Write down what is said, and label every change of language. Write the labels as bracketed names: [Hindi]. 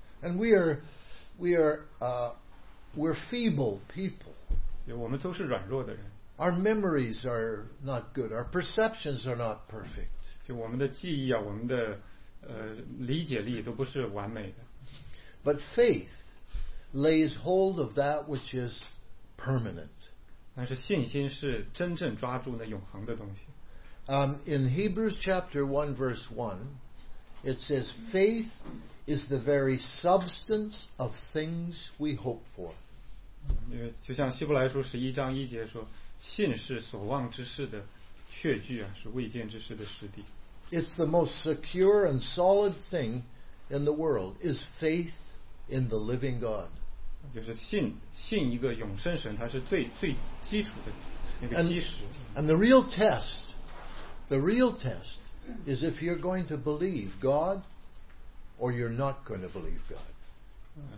[English] And we're feeble people. [Chinese] 我们都是软弱的人。 [English] Our memories are not good. Our perceptions are not perfect. [Chinese] 就我们的记忆啊，我们的理解力都不是完美的。 [English] But faith lays hold of that which is permanent. [Chinese] 但是信心是真正抓住那永恒的东西。 [English] In Hebrews chapter 1 verse 1, it says, faith is the very substance of things we hope for. [Chinese] 就像希伯来书十一章一节说，信是所望之事的确据啊，是未见之事的实底。 [English] It's the most secure and solid thing in the world is faith in the living God. [Chinese] 就是信一个永生神，它是最基础的那个基石。 [English] And the real test is if you're going to believe God or you're not going to believe God.